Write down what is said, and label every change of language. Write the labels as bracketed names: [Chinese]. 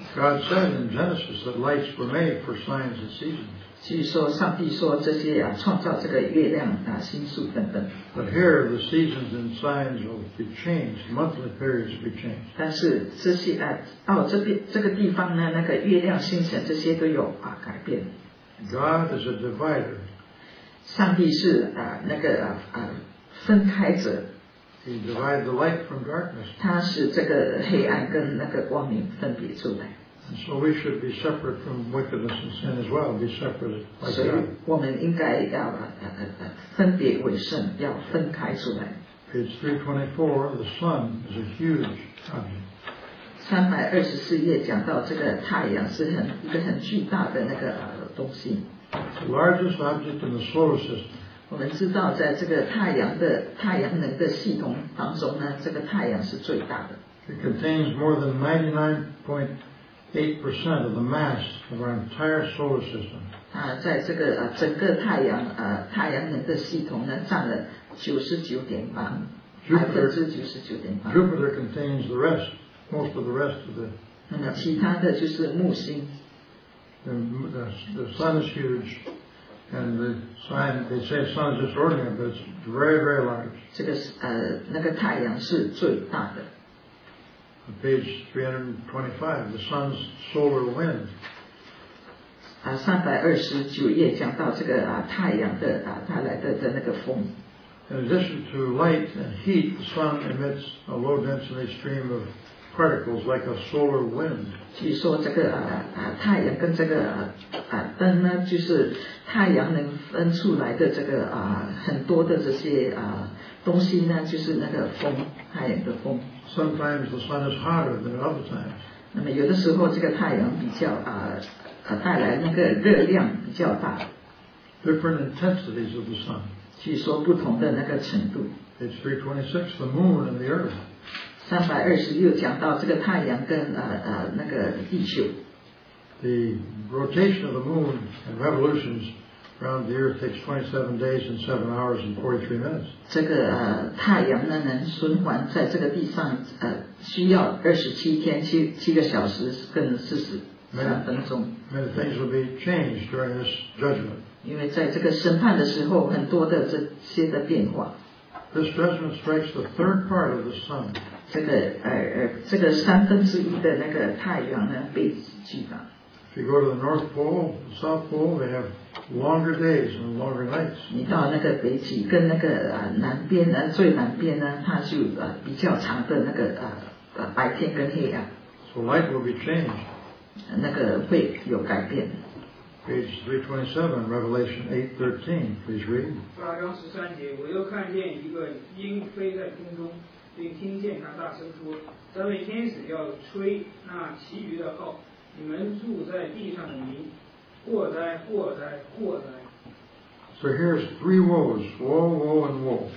[English] God said in Genesis that lights were made for signs and seasons. [Chinese] 据说上帝说这些啊，创造这个月亮啊，星宿等等。 [English] But here the seasons and signs will be changed. Monthly periods will be changed. [Chinese] 但是这些啊，到这边这个地方呢，那个月亮、星辰这些都有啊改变。 [English] God is a divider. [Chinese] 上帝是啊那个啊啊分开者。 [English] He divides the light from darkness. [Chinese] 他是这个黑暗跟那个光明分别出来。 [English] So we should be separate from wickedness and sin as well. Be separate. [Chinese] 所以我们应该要分别为圣，要分开出来。 [English] Page 324, the sun is a huge object. [Chinese] 324页讲到这个太阳是很一个很巨大的那个东西。 [English] The largest object in the solar system. [Chinese] 我们知道在这个太阳能的系统当中呢，这个太阳是最大的。 [English] It contains more than 99.8% of the mass of our entire solar system. [Chinese] 它在这个整个太阳能的系统呢，占了99.8%。 [English] Jupiter contains the rest, most of the rest of the. [Chinese] 那么其他的就是木星。 [English] The sun is huge, and the sign they say sun is just ordinary, but it's very very large. [Chinese] 这个那个太阳是最大的。 [English] Page 325, the sun's solar wind. [Chinese] 329页讲到这个太阳的带来的那个风。 [English] In addition to light and heat, the sun emits a low density stream of particles like a solar wind. [Chinese] 据说这个太阳跟这个灯呢，就是太阳能分出来的这个很多的这些东西呢，就是那个风，太阳的风。 [English] Sometimes the sun is hotter than other times. [Chinese] 那么有的时候这个太阳比较带来那个热量比较大。 [English] Different intensities of the sun. [Chinese] 据说不同的那个程度。 [English] It's 326, the moon and the earth. [Chinese] 326讲到这个太阳跟那个地球。 [English] The rotation of the moon and revolutions around the earth takes 27 days and 7 hours and 43 minutes. [Chinese] 这个太阳呢能循环在这个地上需要27天7个小时跟43分钟。 [English] Many things will be changed during this judgment. [Chinese] 因为在这个审判的时候很多的这些的变化。 [English] This judgment strikes the third part of the sun. [Chinese] 这个三分之一的那个太阳呢被击打。 [English] If you go to the North Pole, the South Pole, they have longer days and longer nights. [Chinese] 你到那个北极跟那个南边呢，最南边呢，它就比较长的那个白天跟黑暗。 [English] So light will be changed. [Chinese] 那个会有改变。 [English] Page 327, Revelation 8:13. Please read. [Chinese] 8:13, 我又看见一个鹰飞在空中，并听见他大声说：“这位天使要吹那其余的号。” 你们住在地上的民，祸灾，祸灾，祸灾。 [English] So here's three woes, woe, woe, and woe.